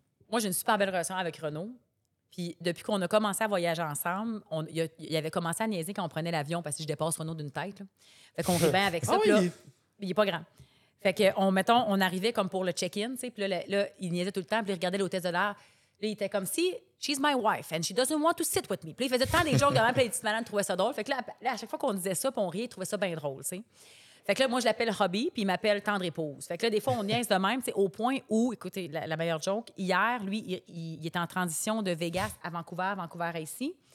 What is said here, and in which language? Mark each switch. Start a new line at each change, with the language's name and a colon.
French: Moi, j'ai une super belle relation avec Renaud. Puis depuis qu'on a commencé à voyager ensemble, il avait commencé à niaiser quand on prenait l'avion parce que je dépasse Renaud d'une tête. Là. Fait qu'on revient avec ça. Ah, là, oui. Il est pas grand. Fait que, on arrivait comme pour le check-in, tu sais, puis là, il niaisait tout le temps, puis il regardait l'hôtesse de l'air. Là, il était comme, si,
English: she's my wife, and she doesn't want to sit with me.
French: Puis il faisait tant des jokes, puis les petites malades trouvaient ça drôle. Fait que là, à chaque fois qu'on disait ça, puis on riait, il trouvait ça bien drôle, tu sais. Fait que là, moi, je l'appelle hobby, puis il m'appelle tendre épouse. Fait que là, des fois, on niaise de même, tu sais, au point où, écoutez, la meilleure joke, hier, lui, il est en transition de Vegas à Vancouver, Vancouver à ici.